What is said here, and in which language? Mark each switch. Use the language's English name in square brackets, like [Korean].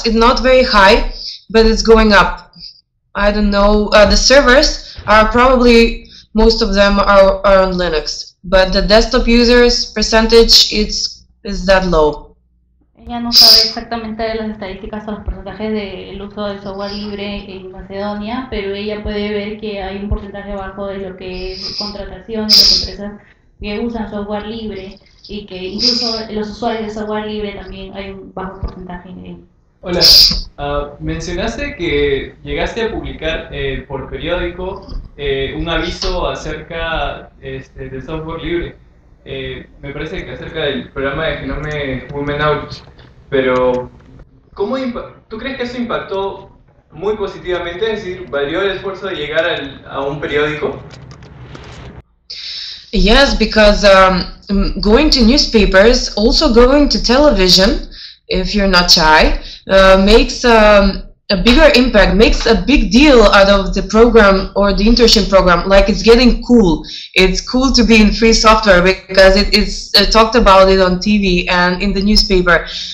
[English] It's not very high, but it's going up. I don't know. The servers are probably, most of them are on Linux, but the desktop users percentage is that low. [Spanish] Ella no sabe exactamente las estadísticas o los porcentajes del uso del software libre en Macedonia, pero ella puede ver que hay un porcentaje bajo de lo que es contratación de las empresas que usan software libre, y que incluso los usuarios de software libre también hay un bajo porcentaje en él. Hola, mencionaste que llegaste a publicar por periódico un aviso acerca de software libre. Me parece que acerca del programa de Genome Women Out, pero ¿cómo tú crees que eso impactó muy positivamente? Es decir, ¿valió el esfuerzo de llegar a un periódico? [English] Yes, because going to newspapers, also going to television, if you're not shy, makes a bigger impact, makes a big deal out of the program or the internship program. Like, it's getting cool. It's cool to be in free software because it's talked about it on TV and in the newspaper.